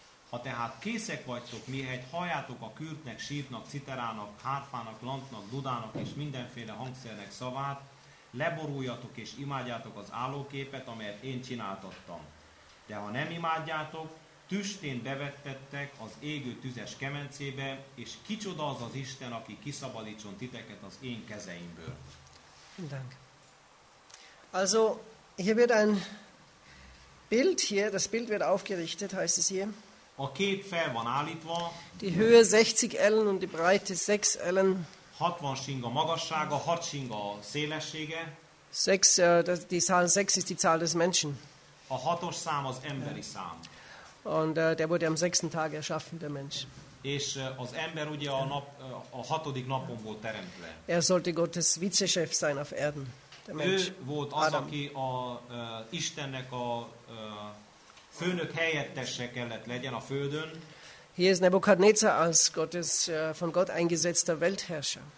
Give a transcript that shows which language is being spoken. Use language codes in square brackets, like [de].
[hu] Ha tehát készek vagytok, mihelyt halljátok a kürtnek, sírnak, citerának, hárfának, lantnak, dudának és mindenféle hangszernek szavát, leboruljatok és imádjátok az állóképet, amelyet én csináltattam. De ha nem imádjátok, tüstén bevettettek az égő tüzes kemencébe, és kicsoda az az Isten, aki kiszabadítson titeket az én kezeimből. [de] Dank. Also, hier wird ein Bild hier, das Bild wird aufgerichtet, heißt es hier. [hu] A kép fel van állítva. [de] Die Höhe 60 Ellen und die Breite 6 Ellen. [hu] 60 sing a magassága, 6 sing a szélessége. [de] Sechs, die Zahl 6 ist die Zahl des Menschen. [hu] A hatos szám az emberi szám. [de] Und der wurde am sechsten Tag erschaffen, der Mensch. [hu] És az ember ugye a nap a hatodik napon volt teremtve. [de] Er sollte Gottes Vizechef sein auf Erden. Der Mensch. [hu] Ő volt az, Adam. Aki a Istennek a főnök helyettese kellett legyen a földön. [de] Hier ist Nebukadnezar als Gottes von Gott eingesetzter Weltherrscher.